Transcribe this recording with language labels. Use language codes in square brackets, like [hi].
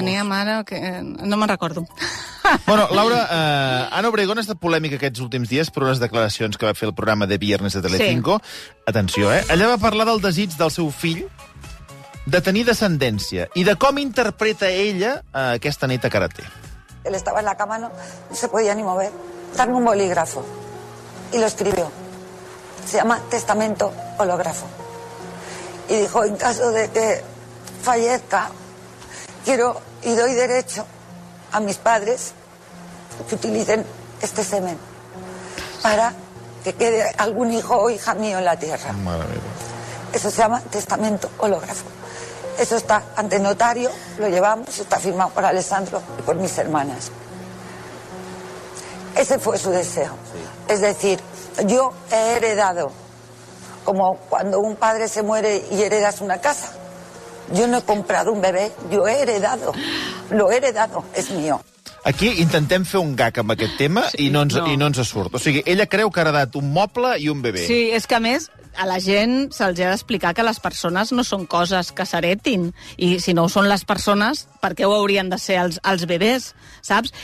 [ca] Tenia mare, que... no me'n recordo. Bueno, Laura, Anna Obregón ha estat polèmica aquests últims dies per unes declaracions que va fer el programa de Viernes de Telecinco. Sí. Atenció, eh? Allà va parlar del desig del seu fill de tenir descendència i de com interpreta ella aquesta neta que ara té. [es] Él estaba en la cama, no se podía ni mover. Dame un bolígrafo. Y lo escribió. Se llama Testamento Hológrafo. Y dijo, en caso de que fallezca, quiero y doy derecho a mis padres que utilicen este semen para que quede algún hijo o hija mío en la tierra. Eso se llama testamento hológrafo. Eso está ante notario, lo llevamos, está firmado por Alessandro y por mis hermanas. Ese fue su deseo. Es decir, yo he heredado, como cuando un padre se muere y heredas una casa. Yo no he comprado un bebé, yo he heredado. Lo he heredado, es mío. [ca] Aquí intentem fer un gag amb aquest tema, sí, i no ens surt. O sigui, ella creu que ha heredat un moble i un bebé. Sí, és que a més, a la gent se'ls ha d'explicar que les persones no són coses que s'heretin. I si no ho són les persones, per què ho haurien de ser els bebès, saps?